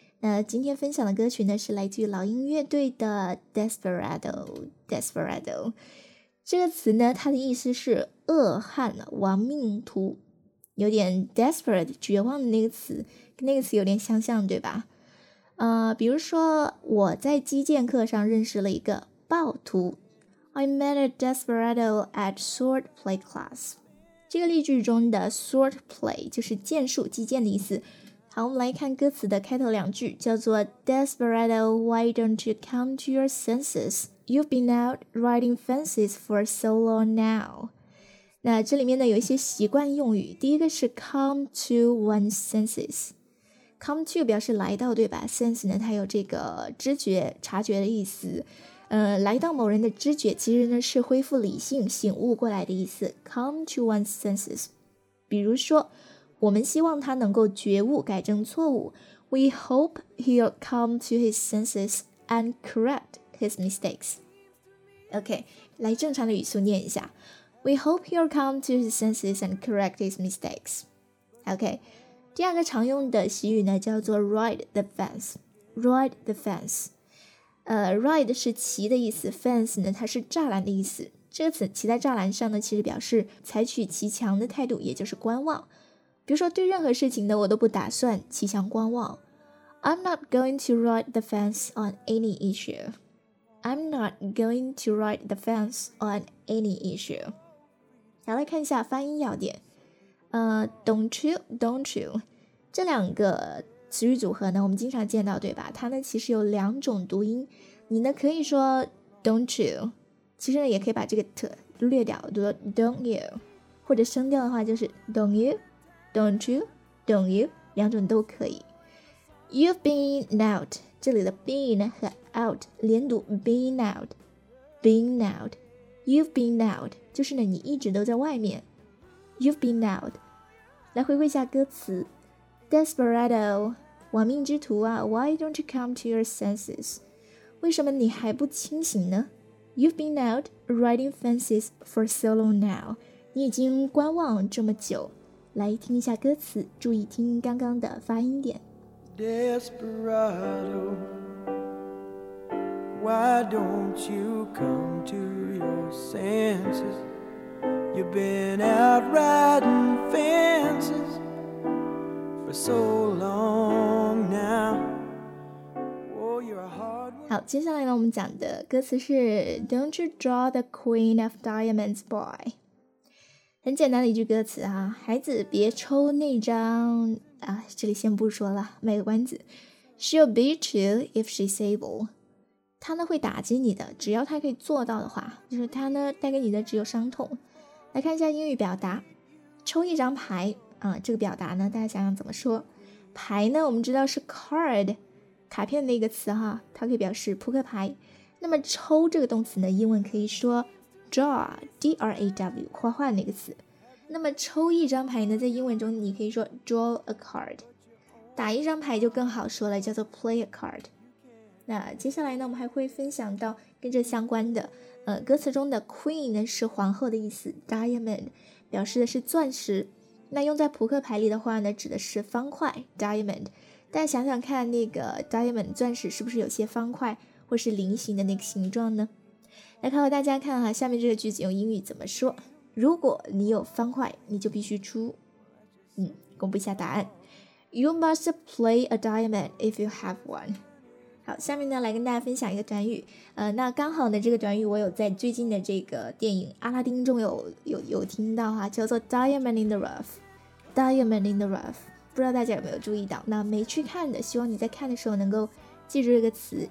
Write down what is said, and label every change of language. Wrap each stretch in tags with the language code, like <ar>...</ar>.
<zh>那今天分享的歌曲呢，是来自于老鹰乐队的 Desperado 这个词呢，它的意思是恶汉、亡命徒，有点 desperate 绝望的那个词，跟那个词有点相像，对吧？比如说我在击剑课上认识了一个暴徒。</zh> <en>I met a desperado at swordplay class.</en> <zh>这个例句中的 swordplay 就是剑术、击剑的意思。好，我们来看歌词的开头两句，叫做</zh> <en>Desperado, why don't you come to your senses? You've been out riding fences for so long now.</en> <zh>那这里面呢有一些习惯用语，第一个是 come to one's senses. Come to 表示来到，对吧？Sense 呢，它有这个知觉、察觉的意思。来到某人的知觉，其实呢是恢复理性、醒悟过来的意思。</zh> <en>Come to one's senses.</en> <zh>比如说，我们希望他能够觉悟、改正错误。</zh> <en>We hope he'll come to his senses and correct his mistakes.</en> <zh>OK, 来正常的语速念一下。</zh> <en>We hope he'll come to his senses and correct his mistakes.</en> <zh>OK, 第二个常用的习语呢叫做 ride the fence. Ride the fence.Ride 是骑的意思， fence 呢它是栅栏的意思，这个词骑在栅栏上呢，其实表示采取骑墙的态度，也就是观望。比如说对任何事情呢，我都不打算骑墙观望。</zh> <en>I'm not going to ride the fence on any issue. I'm not going to ride the fence on any issue.</en> <zh>来看一下发音要点。Don't you? 这两个词语组合呢，我们经常见到，对吧？它呢其实有两种读音。你呢可以说 don't you， 其实呢也可以把这个 t 略掉，读 don't you， 或者声调的话就是 don't you， don't you， don't you， 两种都可以。</zh> <en>You've been out，</en> <zh>这里的 been 和 out 连读 been out， been out， you've been out， 就是呢你一直都在外面。 You've been out。来回顾一下歌词 ，Desperado， 亡命之徒啊 ，</zh> <en>Why don't you come to your senses？</en> <zh>为什么你还不清醒呢</zh> <en>？You've been out riding fences for so long now。</en> <zh>你已经观望这么久。来听一下歌词，注意听刚刚的发音点。</zh> <en>Desperado， why don't you come to your senses？ You've been out riding fences for so long now. Oh, you're a hard one.</en> <zh>好，接下来呢，我们讲的歌词是</zh> <en>"Don't you draw the Queen of Diamonds, boy?"</en> <zh>很简单的一句歌词啊，孩子别抽那张啊，这里先不说了，卖个关子。</zh> <en>She'll beat you if she's able.</en> <zh>她呢会打击你的，只要她可以做到的话，就是她呢带给你的只有伤痛。来看一下英语表达，抽一张牌啊、这个表达呢，大家想想怎么说？牌呢，我们知道是 card， 卡片的一个词哈，它可以表示扑克牌。那么抽这个动词呢，英文可以说 draw， 画画那个词。那么抽一张牌呢，在英文中你可以说 draw a card， 打一张牌就更好说了，叫做 play a card。那接下来呢，我们还会分享到跟这相关的。歌词中的 queen 呢是皇后的意思， diamond 表示的是钻石，那用在扑克牌里的话呢指的是方块 diamond， 但想想看那个 diamond 钻石是不是有些方块或是菱形的那个形状呢？来考考大家看哈，下面这个句子用英语怎么说？如果你有方块你就必须出，公布一下答案，</zh> <en>You must play a diamond if you have one。</en> <zh>好，下面呢来跟大家分享一个短语，那刚好呢这个短语我有在最近的这个电影阿拉丁中有听到哈，叫做 diamond in the rough， diamond in the rough， 不知道大家有没有注意到，那没去看的希望你在看的时候能够记住这个词。</zh>